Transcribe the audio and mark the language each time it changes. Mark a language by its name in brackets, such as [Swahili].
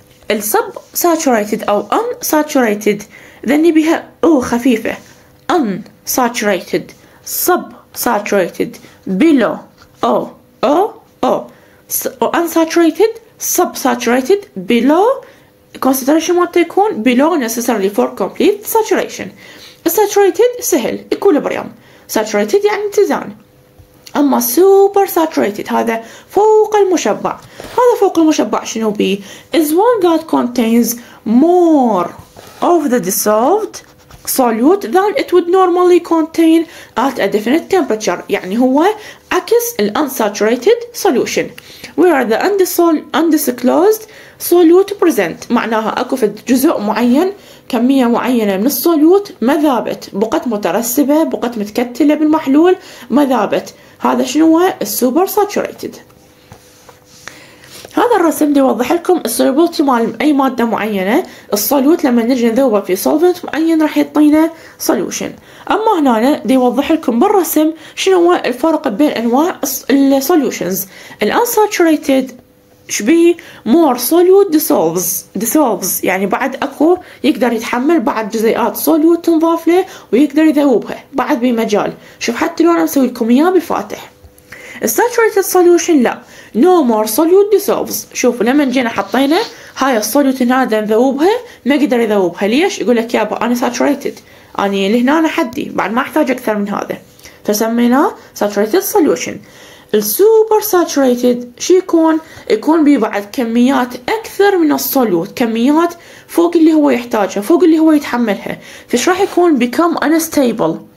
[Arabic] السب ساتوريتد او ان ساتوريتد ذني بها او خفيفه، ان ساتوريتد سب ساتوريتد بلو او او او [English] unsaturated subsaturated below concentration [Arabic] ما تكون [English] below necessarily for complete saturation. [Arabic] saturated سهل equilibrium، saturated يعني اتزان. اما super saturated هذا فوق المشبع، هذا فوق المشبع شنو بي؟ [English] is one that contains more of the dissolved solute than it would normally contain at a definite temperature. [Arabic] يعني هو عكس ال [English] unsaturated solution where the undisclosed solute present، [Arabic] معناها اكو في جزء معين كمية معينة من الصولوت مذابت، بقت مترسبة، بقت متكتلة بالمحلول مذابت، هذا شنو هو؟ السوبر ساتوريتد. هذا الرسم يوضح لكم السولوبيلتي مال اي ماده معينه، الصولوت لما نجي نذوبه في سولفنت معين راح يعطينا سوليوشن. اما هنا يوضح لكم بالرسم شنو هو الفرق بين انواع السوليوشنز. الانساتوريتد شبي مور سوليوت ديسولفز، يعني بعد اكو يقدر يتحمل بعد جزيئات سوليوت تنضاف له ويقدر يذوبها بعد بمجال. شوف حتى لو انا مسوي لكم اياه بالفاتح. الساتوريتد سوليوشن لا، [English] no more solute dissolves. [Arabic] شوفوا لما جينا حطينا هاي الصوليوت هذا نذوبها ما قدر يذوبها، ليش؟ يقول لك يابا انا ساتوريتد، اني لهنا انا حدي بعد ما احتاج اكثر من هذا، فسميناه ساتوريتد سوليوشن. السوبر ساتوريتد شي يكون؟ يكون بي بعد كميات اكثر من الصوليوت، كميات فوق اللي هو يحتاجها، فوق اللي هو يتحملها، فش راح يكون؟ [English] become unstable.